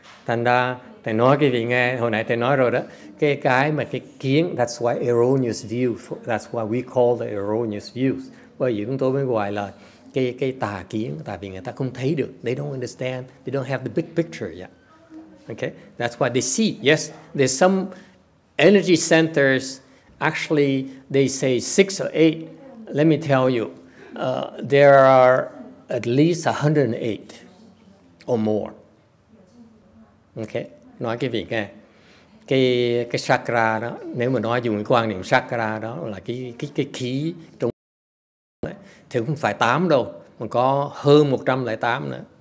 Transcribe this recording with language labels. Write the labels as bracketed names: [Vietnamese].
[Vietnamese] Thành ra thầy nói quý vị nghe, hồi nãy thầy nói rồi đó, cái mà cái kiến, [English] that's why erroneous view, that's why we call the erroneous views. [Vietnamese] Bởi vì chúng tôi mới gọi là cái tà kiến, tại vì người ta không thấy được, [English] they don't understand, they don't have the big picture yet. Okay, that's why they see, yes, there's some energy centers, actually they say 6 or 8, let me tell you, there are at least 108 or more. [Vietnamese] Okay, nói cái việc nghe cái chakra đó, nếu mà nói dùng cái quan niệm chakra đó là cái khí trong đấy, thì không phải 8 đâu mà có hơn 108 nữa.